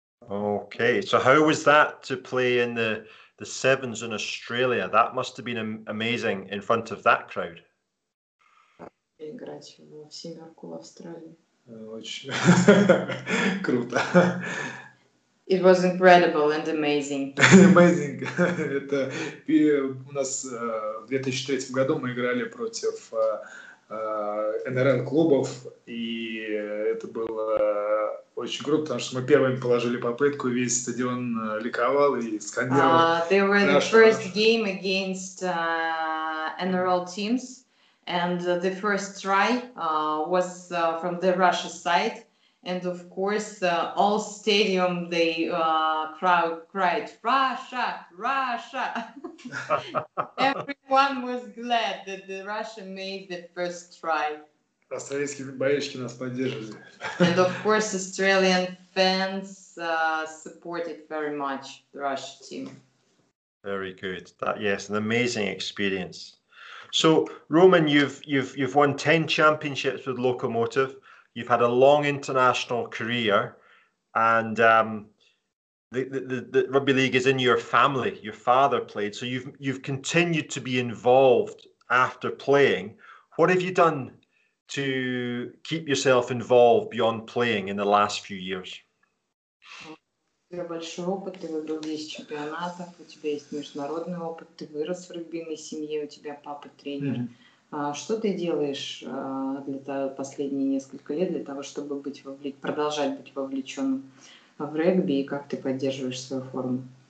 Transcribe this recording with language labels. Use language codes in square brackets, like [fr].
[en] Okay, so how was that to play in the sevens in Australia? That must have been amazing in front of that crowd. [ru] Играть в семерку в Австралии. Очень круто. [en] It was incredible and amazing. Amazing. [ru] Это у нас в 2003 году мы играли против НРЛ-клубов, и это было очень круто, потому что мы первыми положили попытку, весь стадион ликовал и скандировал. [en] They were the first game against NRL teams. And the first try was from the Russia side, and of course, all stadium they crowd cried Russia, Russia. Everyone was glad that the Russia made the first try. [ru] Австралийские болельщики нас поддерживали. [en] And of course, Australian fans supported very much the Russia team. Very good. That yes, an amazing experience. So, Roman, you've won 10 championships with Lokomotiv. You've had a long international career, and the rugby league is in your family. Your father played, so you've continued to be involved after playing. What have you done to keep yourself involved beyond playing in the last few years? [ru] У тебя большой опыт, ты выиграл 10 чемпионатов, у тебя есть международный опыт, ты вырос в рэгбийной семье, у тебя папа тренер. Что ты делаешь для последние несколько лет для того, чтобы продолжать быть вовлеченным в регби и как ты поддерживаешь свою форму?